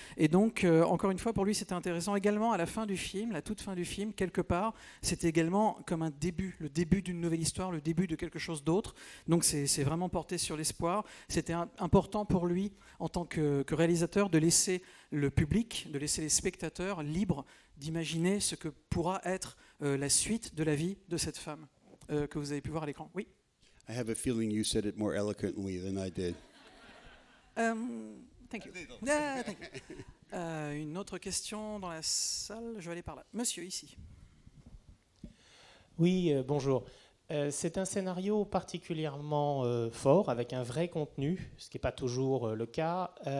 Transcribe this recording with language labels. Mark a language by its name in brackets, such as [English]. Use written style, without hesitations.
[French] Et donc, encore une fois, pour lui, c'était intéressant. Également, à la fin du film, la toute fin du film, quelque part, c'était également comme un début, le début d'une nouvelle histoire, le début de quelque chose d'autre. Donc, c'est vraiment porté sur l'espoir. C'était important pour lui, en tant que réalisateur, de laisser le public, de laisser les spectateurs libres d'imaginer ce que pourra être la suite de la vie de cette femme que vous avez pu voir à l'écran. Oui. [English] I have a feeling you said it more eloquently than I did. Thank you. Thank you. [French] Une autre question dans la salle, je vais aller par là. Monsieur, ici. Oui, bonjour. C'est un scénario particulièrement fort, avec un vrai contenu, ce qui n'est pas toujours le cas.